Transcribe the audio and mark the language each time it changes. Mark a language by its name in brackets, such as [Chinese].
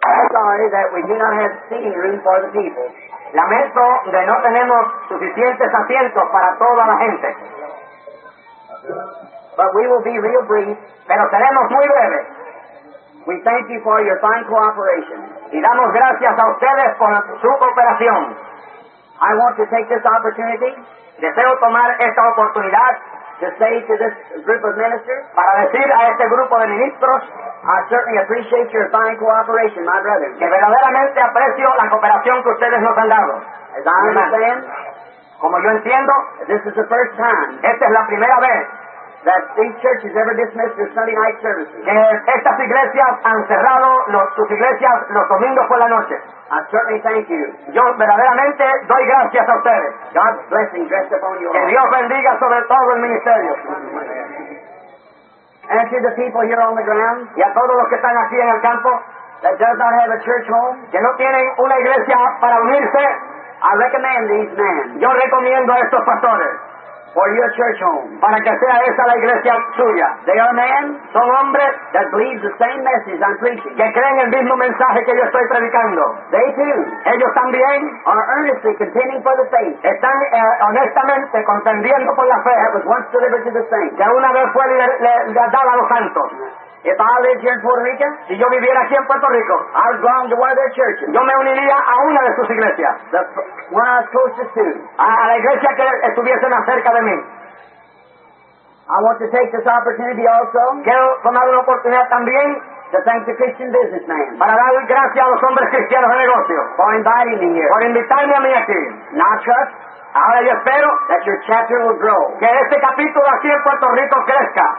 [English] sorry that we do not have seating room for the people. [Spanish] Lamento de no tenemos suficientes asientos para toda la gente. [English] But we will be real brief, [Spanish] pero seremos muy breves. [English] We thank you for your fine cooperation. [Spanish] Y damos gracias a ustedes por su cooperación. [English] I want to take this opportunity, [Spanish] deseo tomar esta oportunidad, [English] to say to this group of ministers, [Spanish] para decir a este grupo de ministros, [English] I certainly appreciate your fine cooperation, my brethren. [Spanish] Que verdaderamente aprecio la cooperación que ustedes nos han dado. [English] As I understand, [Spanish] como yo entiendo, [English] this is the first time, [Spanish] esta es la primera vez, [English] that these churches ever dismissed their Sunday night services. [Spanish] Que estas iglesias han cerrado sus iglesias los domingos por la noche. [English] I certainly thank you. [Spanish] Yo verdaderamente doy gracias a ustedes. [English] God's blessing rest upon you. [Spanish] Que Dios bendiga sobre todo el ministerio. [English] And to the people here on the ground. [Spanish] Y a todos los que están aquí en el campo. [English] That does not have a church home. [Spanish] Que no tienen una iglesia para unirse. [English] I recommend these men. [Spanish] Yo recomiendo a estos pastores. [English] For your church home. [Spanish] Para que sea esa la iglesia suya. [English] They are men, [Spanish] son hombres, [English] that believe the same message I'm preaching. [Spanish] Que creen el mismo mensaje que yo estoy predicando. [English] They too. [Spanish] Ellos también. [English] Are earnestly contending for the faith. [Spanish] Están honestamente contendiendo por la fe. [English] That was once delivered to the saints. [Spanish] Que una vez fue le dada a los santos. [English] If I lived here in Puerto Rico, [Spanish] si yo viviera aquí en Puerto Rico, [English] I would belong to one of their churches. [Spanish] Yo me uniría a una de sus iglesias. [English] The one I was closest to. [Spanish] A la iglesia que estuviese más cerca de mí. [English] I want to take this opportunity also. [Spanish] Quiero tomar una oportunidad también. [English] To thank the Christian businessman. [Spanish] Para dar gracias a los hombres cristianos de negocio. [English] For inviting me here. [Spanish] Por invitarme a mí aquí. [English] Now trust. [Spanish] Ahora yo espero [English] that your chapter will grow. [Spanish] Que este capítulo aquí en Puerto Rico crezca.